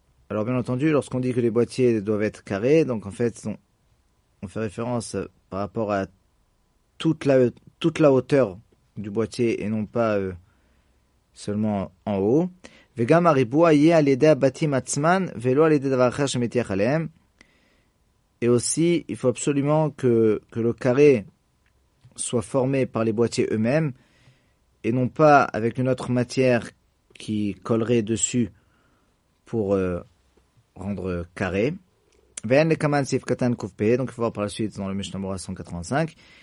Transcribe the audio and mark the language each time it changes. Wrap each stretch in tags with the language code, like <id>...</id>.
<fr>Alors, bien entendu, lorsqu'on dit que les boîtiers doivent être carrés, donc en fait, on fait référence par rapport à toute la hauteur du boîtier et non pas seulement en haut.</fr> <he>וגם הריבוע יהיה על ידי הבתים עצמן ולא על ידי דבר אחר שמתייח עליהם.</he> <fr>Et aussi, il faut absolument que le carré soit formé par les boîtiers eux-mêmes et non pas avec une autre matière qui collerait dessus pour rendre carré.</fr> <he>ואין לכמן סיף קטן קוף פה.</he> <fr>Donc, il faut voir par la suite dans le Mishnah Berurah 185.</fr>